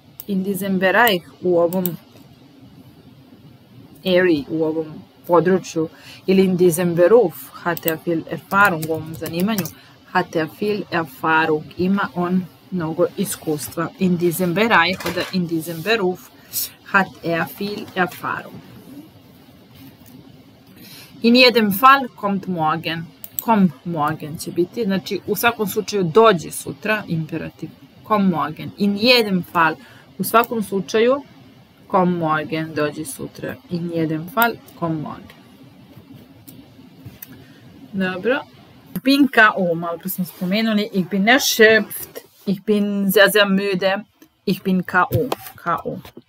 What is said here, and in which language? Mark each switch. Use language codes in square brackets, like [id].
[de] In diesem Bereich, [sr] u ovom area, u ovom području, ili in diesem Beruf, hat er viel Erfahrung, u ovom zanimanju, [de] hat er viel Erfahrung, [sr] ima on mnogo iskustva. [de] In diesem Bereich oder in diesem Beruf hat er viel Erfahrung. In jedem Fall kommt morgen. Komm morgen [sr] će biti, znači u svakom slučaju dođe sutra, imperativ, [de] komm morgen, in jedem fall, [sr] u svakom slučaju, komm morgen, dođe sutra, in jedem fall, komm morgen. Dobro, [de] ich bin K.O., [sr] malo prvo smo spomenuli, [de] ich bin erschöpft, ich bin sehr, sehr müde, ich bin K.O., K.O.